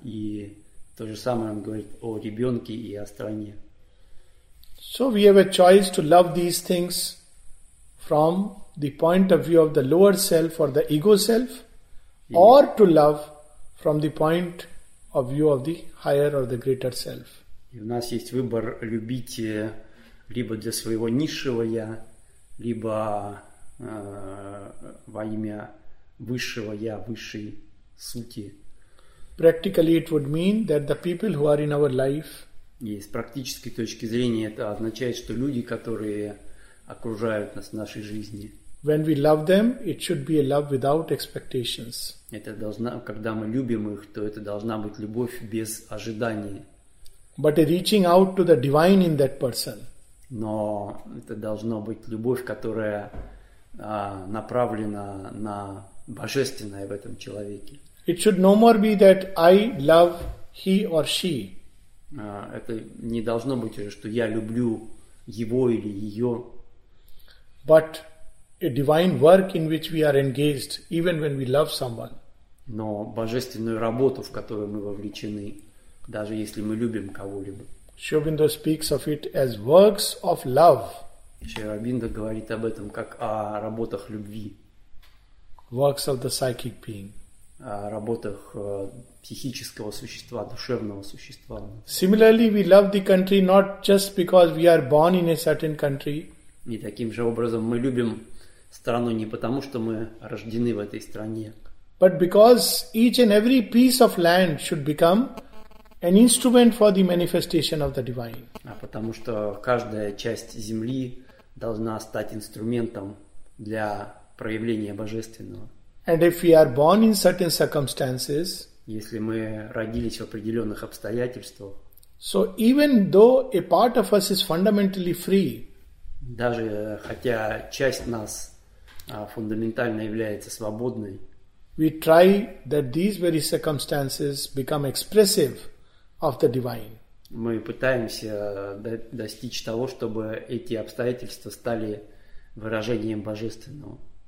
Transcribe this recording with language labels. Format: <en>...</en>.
<ru>И то же самое он говорит о ребенке и о стране.</ru> <en>So we have a choice to love these things from the point of view of the lower self or the ego self, or to love from the point of view of the higher or the greater self.</en> <ru>И у нас есть выбор любить либо для своего низшего я, либо во имя высшего я, высшей сути.</ru> <en>Practically it would mean that the people who are in our life,</en> <ru>с практической точки зрения это означает, что люди, которые окружают нас в нашей жизни,</ru> <en>when we love them, it should be a love without expectations.</en> <ru>Это должна, когда мы любим их, то это должна быть любовь без ожиданий.</ru> <en>But a reaching out to the divine in that person.</en> <ru>Но это должно быть любовь, которая направлена на божественное в этом человеке.</ru> <en>It should no more be that I love he or she.</en> <ru>Это не должно быть уже, что я люблю его или ее.</ru> <en>But a divine work in which we are engaged, even when we love someone.</en> <ru>Но божественную работу, в которую мы вовлечены, даже если мы любим кого-либо.</ru> <en>Шобиндо speaks of it as works of love.</en> <ru>Шри Рабинда говорит об этом как о работах любви.</ru> <en>Works of the psychic being.</en> <ru>О работах психического существа, душевного существа.</ru> <en>Similarly, we love the country not just because we are born in a certain country.</en> <ru>И таким же образом мы любим страну не потому, что мы рождены в этой стране.</ru> <en>But because each and every piece of land should become an instrument for the manifestation of the divine.</en> <ru>А потому что каждая часть земли должна стать инструментом для проявления божественного.</ru> <en>And if we are born in certain circumstances,</en> <ru>если мы родились в определенных обстоятельствах,</ru> <en>so even though a part of us is fundamentally free,</en> <ru>даже хотя часть нас фундаментально является свободной,</ru> <en>we try that these very circumstances become expressive of the divine.</en> <ru>Мы пытаемся достичь того, чтобы эти обстоятельства стали выражением божественного.</ru>